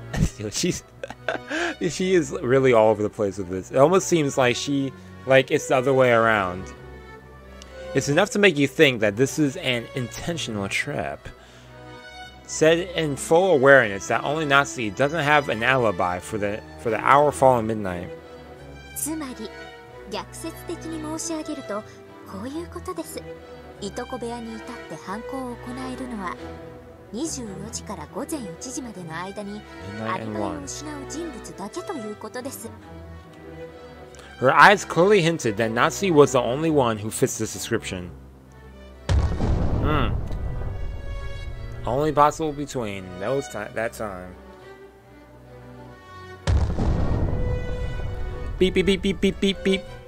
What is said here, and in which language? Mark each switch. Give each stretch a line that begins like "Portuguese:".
English: She is really all over the place with this. It almost seems like it's the other way around. It's enough to make you think that this is an intentional trip. Said in full awareness that only Natsuki doesn't have an alibi for the hour falling midnight.
Japanese: つまり、逆説的に申し上げると、こういうことです。いとこ部屋に至って犯行を行えるのは、24時から午前1時までの間にアリバイを失う人物だけということです。
English: Her eyes clearly hinted that Natsuki was the only one who fits this description. Only possible between those that time. Beep beep beep beep beep beep beep.